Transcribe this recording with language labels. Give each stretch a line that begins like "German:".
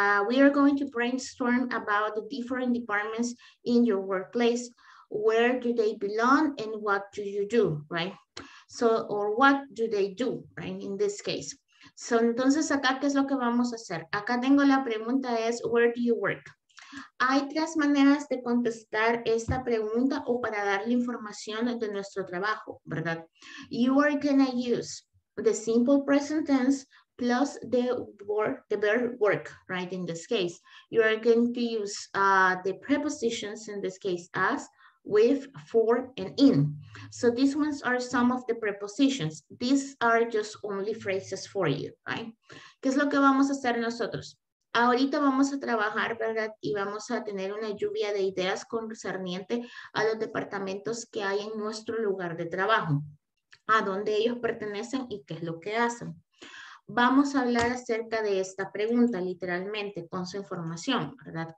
English: We are going to brainstorm about the different departments in your workplace. Where do they belong and what do you do, right? So, or what do they do, right? In this case.
Spanish: So, entonces acá, ¿qué es lo que vamos a hacer? Acá tengo la pregunta es,
English: where do you work?
Spanish: Hay tres maneras de contestar esta pregunta o para darle información de nuestro trabajo, ¿verdad?
English: You are gonna use the simple present tense plus the verb work, right? In this case, you are going to use the prepositions in this case as, with, for, and in. So these ones are some of the prepositions. These are just only phrases for you, right?
Spanish: ¿Qué es lo que vamos a hacer nosotros? Ahorita vamos a trabajar, ¿verdad? Y vamos a tener una lluvia de ideas concerniente a los departamentos que hay en nuestro lugar de trabajo, a dónde ellos pertenecen y qué es lo que hacen. Vamos a hablar acerca de esta pregunta, literalmente, con su información, ¿verdad?